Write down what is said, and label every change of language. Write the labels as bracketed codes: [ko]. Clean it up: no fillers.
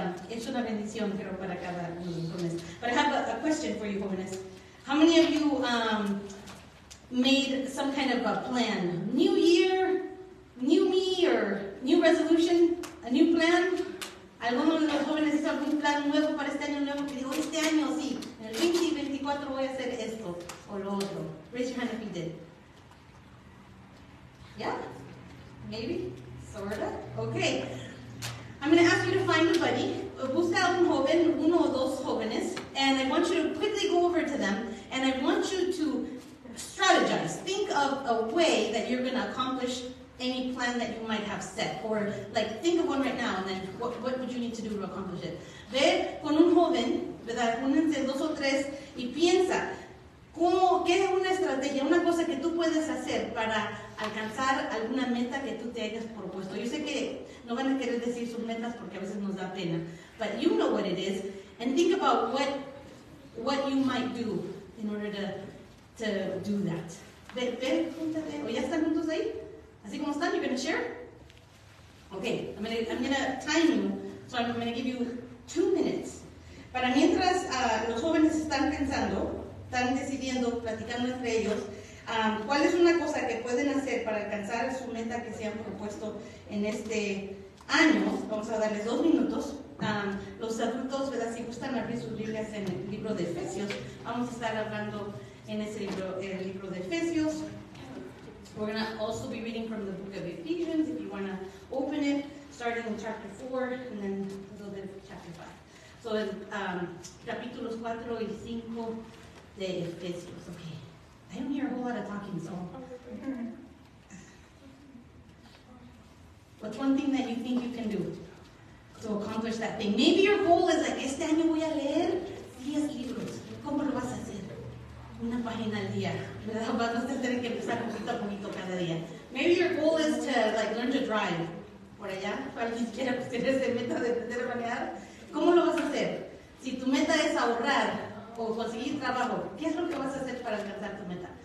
[es] Es una bendición, creo, para cada uno de los jóvenes. [en] But I have a question for you, jóvenes. How many of you made some kind of a plan? New year, new me, or new resolution, a new plan? [es] ¿Alguno de los jóvenes hizo algún plan nuevo para este año nuevo? Que dijo, este año sí, en el 2024 voy a hacer esto o lo otro. [en] Raise your hand if you did. Yeah? Maybe? Sorta? Okay. I'm going to ask you to find a buddy. [es] Busca un joven, uno o dos jóvenes, [en] and I want you to quickly go over to them, and I want you to strategize. Think of a way that you're going to accomplish any plan that you might have set. Or, like, think of one right now, and then what would you need to do to accomplish it? [es] Ve con un joven, ¿verdad? Únense dos o tres, y piensa, ¿cómo, qué es una estrategia, una cosa que tú puedes hacer para alcanzar alguna meta que tú te hayas propuesto? Yo sé que no van a querer decir sus metas porque a veces nos da pena. [en] But you know what it is, and think about what you might do in order to do that. [es] Ve, júntate. ¿O ya están juntos ahí? ¿Así como están? [en] You're going to share? Okay, I'm going to time you. So I'm going to give you 2 minutes. [es] Para mientras los jóvenes están pensando, están decidiendo, platicando entre ellos, ¿cuál es una cosa que pueden hacer para alcanzar su meta que se han propuesto en este año? Vamos a darles 2 minutos. Los adultos, ¿verdad?, si gustan abrir sus Biblias en el libro de Efesios, vamos a estar hablando en ese libro, el libro de Efesios. [en] We're going to also be reading from the book of Ephesians, if you want to open it, starting in chapter 4, and then a little bit of chapter 5. [es] So, capítulos 4 y 5 de Efesios. Okay. [en] I don't hear a whole lot of talking, so. What's one thing that you think you can do to accomplish that thing? Maybe your goal is like, [es] este año voy a leer 10 libros. ¿Cómo lo vas a hacer? Una página al día, ¿verdad? Vamos a tener que empezar poquito a poquito cada día. [en] Maybe your goal is to, like, learn to drive. [es] Por allá, cualquiera quiera tener esa meta de aprender a manejar. ¿Cómo lo vas a hacer? Si tu meta es ahorrar o conseguir trabajo, ¿qué es lo que vas a hacer para alcanzar tu meta?